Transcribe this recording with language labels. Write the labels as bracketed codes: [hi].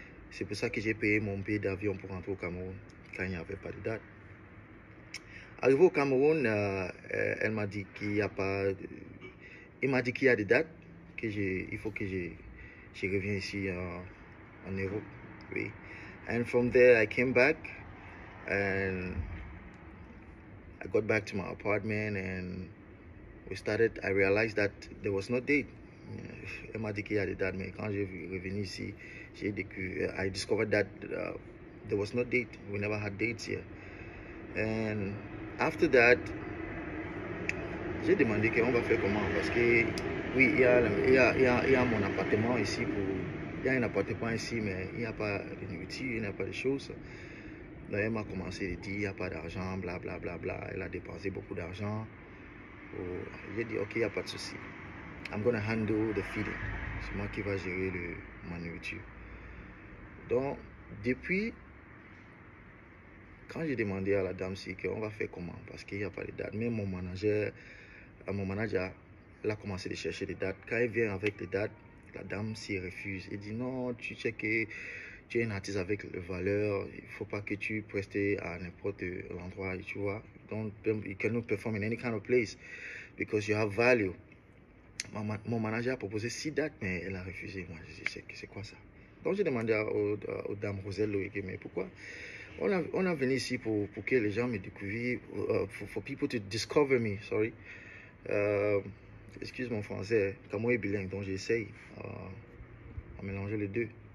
[fr] C'est pour ça que j'ai payé mon billet d'avion pour rentrer au Cameroun quand il n'y avait pas de date. Arrivé au Cameroun, elle m'a dit qu'il n'y a pas. Elle m'a dit qu'il y a des dates, il faut que je revienne ici en Europe. Oui. [en] And from there, I came back and I got back to my apartment and we started. I realized that there was no date. [fr] Elle m'a dit qu'il y a des dates, mais quand je suis revenu ici, j'ai découvert. [en] I discovered that there was no date. We never had dates here. And after that, [fr] j'ai demandé qu'on va faire comment parce que oui, il y a mon appartement ici il y a un appartement ici, mais il n'y a pas de nourriture, il n'y a pas de choses. Donc elle m'a commencé à dire il n'y a pas d'argent, bla bla bla bla. Elle a dépensé beaucoup d'argent. J'ai dit ok, il n'y a pas de souci. [en] I'm gonna handle the feeding. [fr] C'est moi qui va gérer ma nourriture. Donc depuis. Quand j'ai demandé à la dame si on va faire comment, parce qu'il n'y a pas de date, même mon manager, elle a commencé à chercher des dates. Quand elle vient avec des dates, la dame s'y refuse. Elle dit non, tu sais que tu es un artiste avec la valeur, il ne faut pas que tu prestes à n'importe quel endroit, tu vois. [en] Donc, you cannot perform in any kind of place, because you have value. [fr] Mon manager a proposé 6 dates, mais elle a refusé. Moi, je dis, c'est quoi ça? Donc, j'ai demandé aux dames Rosel Loïc, mais pourquoi? On a venu ici pour que les gens me découvrent, [en] for people to discover me, sorry. [fr] Excuse mon français, Camo est bilingue, donc j'essaye à mélanger les deux.